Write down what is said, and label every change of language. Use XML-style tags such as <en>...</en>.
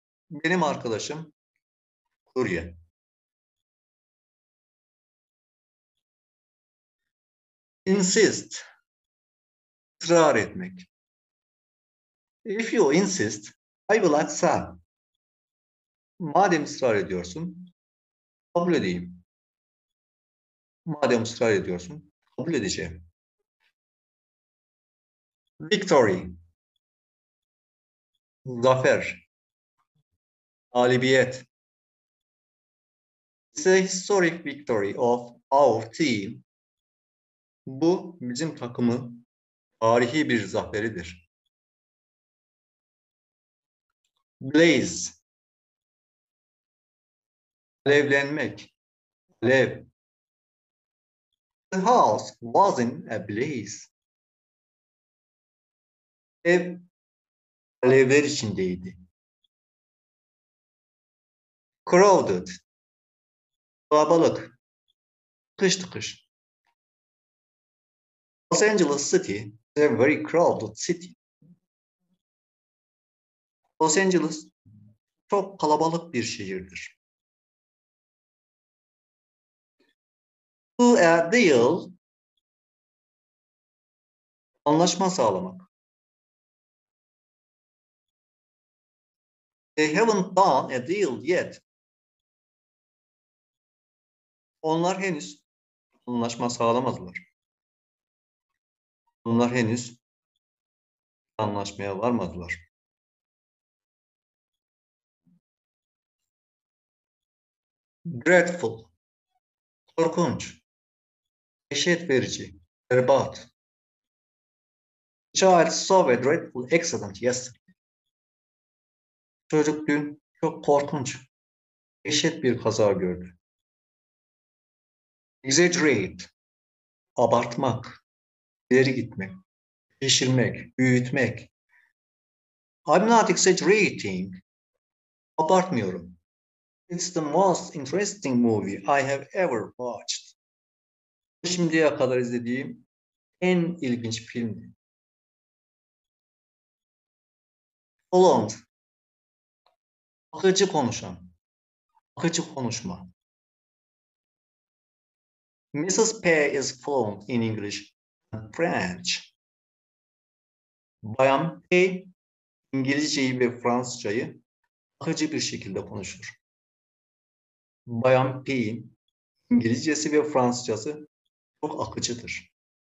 <tr>Benim arkadaşım kurye. Insist, ısrar etmek.</tr> <en>If you insist, I will accept.</en> <tr>Madem ısrar ediyorsun, kabul edeyim. Madem ısrar ediyorsun, kabul edeceğim. Victory, zafer, galibiyet.</tr> <en>It's a historic victory of our team.</en> <tr>Bu bizim takımın tarihi bir zaferidir. Blaze, alevlenmek, alev.</tr> <en>The house was in a blaze.</en> <tr>Ev alevler içindeydi. Crowded, kalabalık, tıkış tıkış.</tr> <en>Los Angeles City is a very crowded city.</en> <tr>Los Angeles çok kalabalık bir şehirdir.</tr> <en>To a deal,</en> <tr>anlaşma sağlamak.</tr> <en>They haven't done a deal yet.</en> <tr>Onlar henüz anlaşma sağlamadılar. Onlar henüz anlaşmaya varmadılar. Dreadful, korkunç, dehşet verici, berbat.</tr> <en>Child saw a dreadful accident yesterday.</en> <tr>Çocuk dün çok korkunç, dehşet bir kaza gördü. Exaggerate, abartmak, ileri gitmek, şişirmek, büyütmek.</tr> <en>I'm not exaggerating, abartmıyorum. It's the most interesting movie I have ever watched.</en> <tr>Şimdiye kadar izlediğim en ilginç filmdi. Fluent, akıcı konuşan, akıcı konuşma.</tr> <en>Mrs. Pei is fluent in English and French.</en> <tr>Bayan Pei İngilizceyi ve Fransızcayı akıcı bir şekilde konuşur. Bayan P'in İngilizcesi ve Fransızcası çok akıcıdır.</tr>